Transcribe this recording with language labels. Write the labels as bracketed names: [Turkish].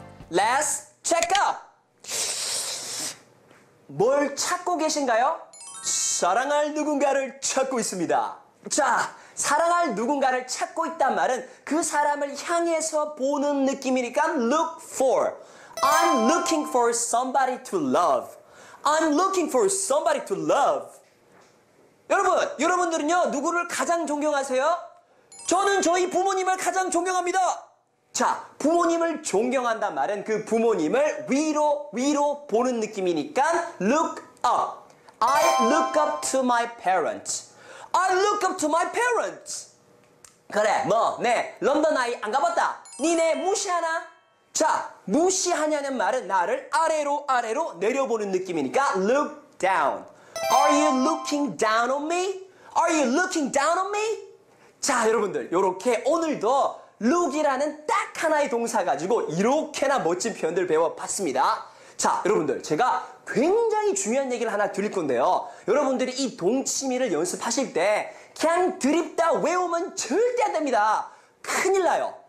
[English] 레츠 체크업! [Korean] 뭘 찾고 계신가요? 사랑할 누군가를 찾고 있습니다. 자, 사랑할 누군가를 찾고 있단 말은 그 사람을 향해서 보는 느낌이니까 look for. [English] I'm looking for somebody to love. I'm looking for somebody to love. [Korean] 여러분, 여러분들은요, 누구를 가장 존경하세요? 저는 저희 부모님을 가장 존경합니다. 자, 부모님을 존경한단 말은 그 부모님을 위로 보는 느낌이니까 look up. [English] I look up to my parents. I look up to my parents. [Korean] 그래, 뭐, 네, 런던 아이 안 가봤다. 니네 무시하나? 자, 무시하냐는 말은 나를 아래로 내려보는 느낌이니까 look down. [English] Are you looking down on me? Are you looking down on me? [Korean] 자, 여러분들, 요렇게 오늘도 look이라는 딱 하나의 동사 가지고 이렇게나 멋진 표현들 배워봤습니다. 자, 여러분들, 제가 굉장히 중요한 얘기를 하나 드릴 건데요. 여러분들이 이 동치미를 연습하실 때 그냥 드립다 외우면 절대 안 됩니다. 큰일 나요.